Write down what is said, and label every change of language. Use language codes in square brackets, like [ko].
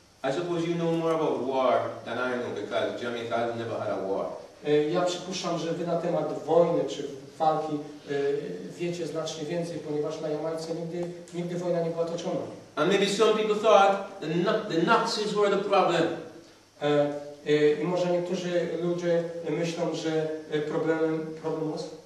[en] I suppose you know more about war than I know, because Jamaica has never had a war. [pl] Ja przypuszczam, że wy na temat wojny czy walki wiecie znacznie więcej, ponieważ na Jamajce nigdy wojna nie była toczona. [en] And maybe some people thought the Nazis were the problem. [pl] I może niektórzy ludzie myślą, że problem was?